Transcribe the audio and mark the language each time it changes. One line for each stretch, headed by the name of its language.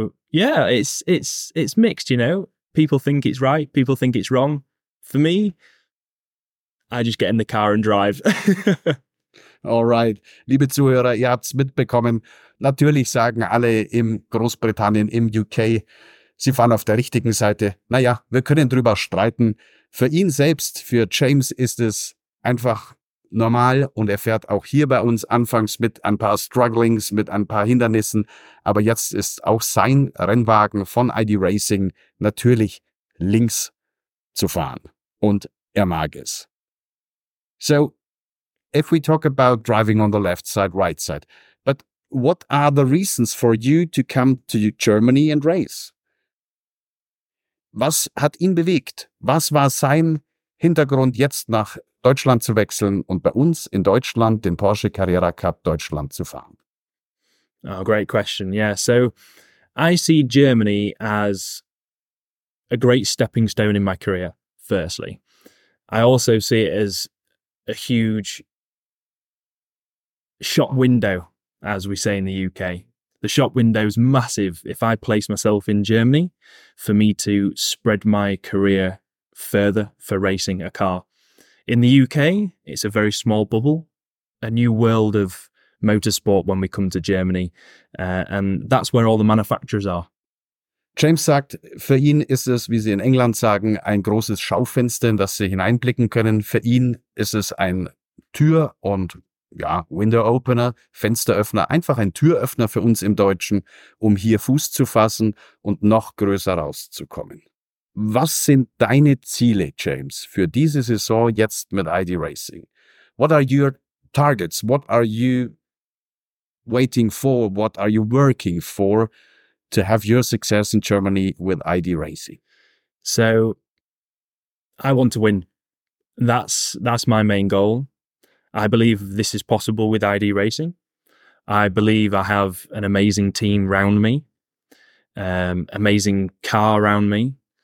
English: It's mixed, you know. People think it's right. People think it's wrong. For me, I just get in the car and drive.
German: Alright, liebe Zuhörer, ihr habt's mitbekommen. Natürlich sagen alle im Großbritannien, im UK, sie fahren auf der richtigen Seite. Naja, wir können drüber streiten. Für ihn selbst, für James ist es einfach normal und er fährt auch hier bei uns anfangs mit ein paar Strugglings, mit ein paar Hindernissen. Aber jetzt ist auch sein Rennwagen von ID Racing natürlich links zu fahren. Und er mag es.
English: So, if we talk about driving on the left side, right side, but what are the reasons for you to come to Germany and race?
German: Was hat ihn bewegt? Was war sein Hintergrund, jetzt nach Deutschland zu wechseln und bei uns in Deutschland den Porsche Carrera Cup Deutschland zu fahren?
English: Oh, great question. Yeah, so I see Germany as a great stepping stone in my career, firstly. I also see it as a huge shop window, as we say in the UK. The shop window is massive. If I place myself in Germany, for me to spread my career further for racing a car. In the UK, it's a very small bubble, a new world of motorsport when we come to Germany. And that's where all the manufacturers are.
German: James sagt, für ihn ist es, wie sie in England sagen, ein großes Schaufenster, in das sie hineinblicken können. Für ihn ist es ein Tür- und ja, Window Opener, Fensteröffner, einfach ein Türöffner für uns im Deutschen, um hier Fuß zu fassen und noch größer rauszukommen. Was sind deine Ziele, James, für diese Saison jetzt mit ID Racing?
English: What are your targets? What are you waiting for? What are you working for to have your success in Germany with ID Racing? So, I want to win. That's my main goal. I believe this is possible with ID Racing. I believe I have an amazing team around me, amazing car around me.